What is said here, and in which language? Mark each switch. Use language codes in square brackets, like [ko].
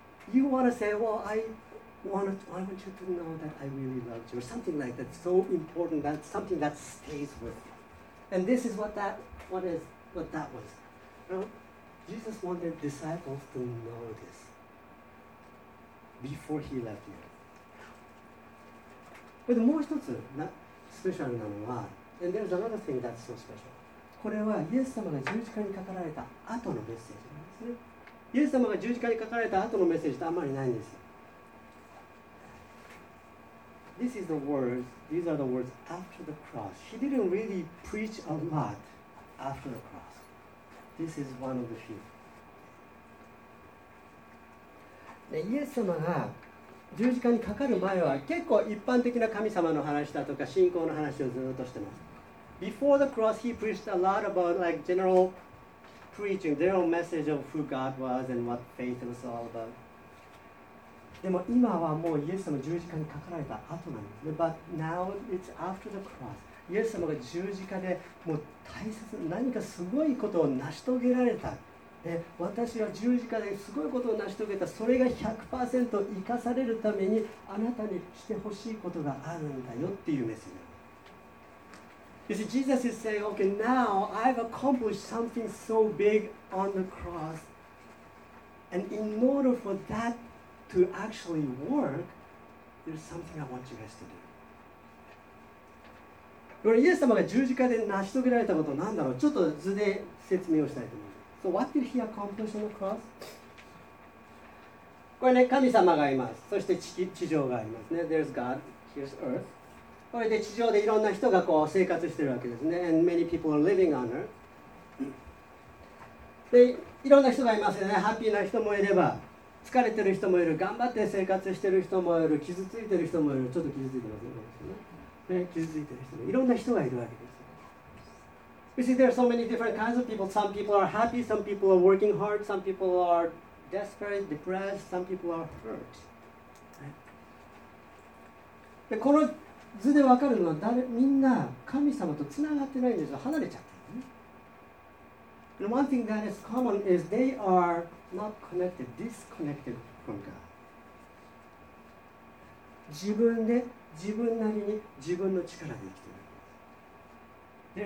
[en] You want to say, well, I want you to know that I really loved you, or something like that. So important, that something that stays with you. And this is what is. But that was, you know, Jesus wanted disciples to know this before he left the earth. [ja] But もう一つな、スペシャルなのは、 [en] and there's another thing that's so special. [ja] これはイエス様が十字架にかかられた後のメッセージですね。イエス様が十字架にかかられた後のメッセージってあんまりないんですよ。 [en] This is the words, these are the words after the cross. He didn't really preach a lot. After the cross. This is one of the few. [ja] で、イエス様が十字架にかかる前は結構一般的な神様の話だとか信仰の話をずっとしてます。 [en] Before the cross, he preached a lot about like general preaching, general message of who God was and what faith was all about. [ja] でも今はもうイエス様十字架にかかられた後なんです。 [en] But now it's after the cross. [ja] イエス様が十字架でもう大切な何かすごいことを成し遂げられた。で、私は十字架ですごいことを成し遂げた。それが 100% 生かされるためにあなたにしてほしいことがあるんだよっていうメッセージ。 [en] You see, Jesus is saying, okay, now I've accomplished something so big on the cross. And in order for that to actually work, there's something I want you guys to do. [ja] これイエス様が十字架で成し遂げられたことは何だろう。ちょっと図で説明をしたいと思います。 [en] So what did he accomplish on the cross? [ja] これね、神様がいます。そして 地上がありますね。 [en] There's God, here's Earth. [ja] これで地上でいろんな人がこう生活してるわけですね。 [en] And many people are living on Earth. [ja] で、いろんな人がいますよね。ハッピーな人もいれば、疲れてる人もいる、頑張って生活してる人もいる、傷ついてる人もいる。ちょっと傷ついてますよね。ね、傷ついてる人もいろんな人がいるわけです。 [en] You see, there are so many different kinds of people. Some people are happy, some people are working hard, some people are desperate, depressed, some people are hurt.、 [ja] ね、でこの図で分かるのは誰、みんな神様とつながってないんですよ。離れちゃってる、ね。 [en] And one thing that is common is they are not connected, disconnected from God. [ja] 自分で自分なりに自分の力で生きている。